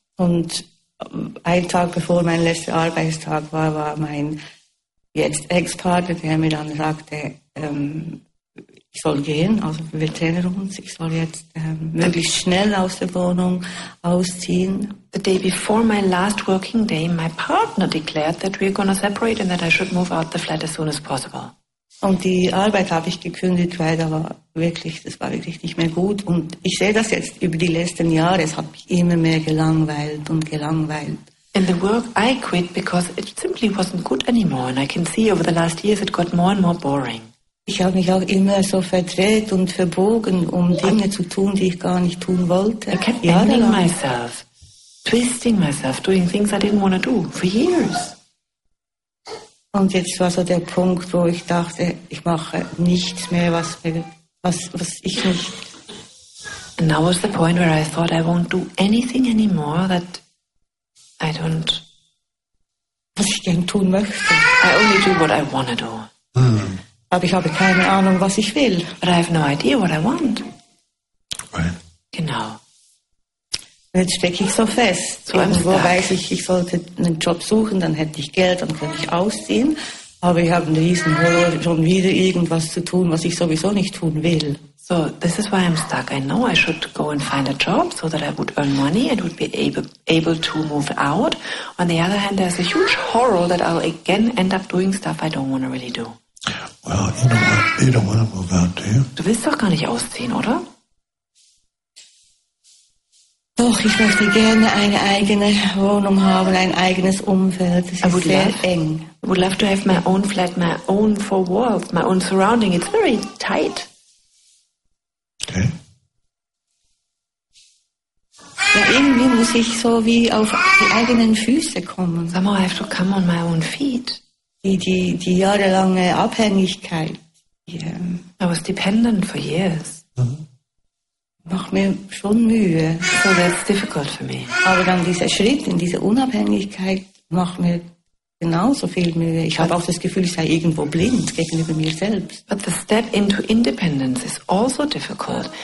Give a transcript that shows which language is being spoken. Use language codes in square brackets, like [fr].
[de] Und einen Tag bevor mein letzter Arbeitstag war, war mein jetzt Ex-Partner, der mir dann sagte, ich soll gehen, also wir trennen uns, ich soll jetzt möglichst schnell aus der Wohnung ausziehen. [en] The day before my last working day, my partner declared that we're going to separate and that I should move out the flat as soon as possible. [de] Und die Arbeit habe ich gekündigt, weil da war wirklich, das war wirklich nicht mehr gut. Und ich sehe das jetzt über die letzten Jahre, es hat mich immer mehr gelangweilt und gelangweilt. [en] And the work I quit because it simply wasn't good anymore. And I can see over the last years it got more and more boring. [de] Ich habe mich auch immer so verdreht und verbogen, um Dinge zu tun, die ich gar nicht tun wollte. [en] I kept bending myself, twisting myself, doing things I didn't want to do for years. [de] Und jetzt war so der Punkt, wo ich dachte, ich mache nichts mehr, was ich nicht. [en] And now was the point where I thought I won't do anything anymore that I don't. [de] Was ich gern tun möchte. [en] I only do what I want to do. Mm. [de] Aber ich habe keine Ahnung, was ich will. [en] But I have no idea what I want. Right. [de] Genau. Jetzt stecke ich so fest. So irgendwo weiß ich, ich sollte einen Job suchen, dann hätte ich Geld, dann könnte ich ausziehen. Aber ich habe einen riesen Horror, schon wieder irgendwas zu tun, was ich sowieso nicht tun will. [en] So, this is why I'm stuck. I know I should go and find a job, so that I would earn money and would be able to move out. On the other hand, there's a huge horror that I'll again end up doing stuff I don't want to really do. Well, you don't want to move out, do you? [de] Du willst doch gar nicht ausziehen, oder? Doch, ich möchte gerne eine eigene Wohnung haben, ein eigenes Umfeld. Es ist sehr eng. [en] I would love to have my own flat, my own four walls, my own surrounding. It's very tight. Okay. [de] Ja, irgendwie muss ich so wie auf die eigenen Füße kommen. [en] Somehow I have to come on my own feet. [de] Die jahrelange Abhängigkeit. [en] Yeah. I was dependent for years. Mm-hmm. [de] Macht mir schon Mühe. [en] So that's difficult for me. [de] Aber dann dieser Schritt in diese Unabhängigkeit macht mir genauso viel Mühe. Ich habe auch das Gefühl, ich sei irgendwo blind gegenüber mir selbst. [en] But the step into independence is also difficult.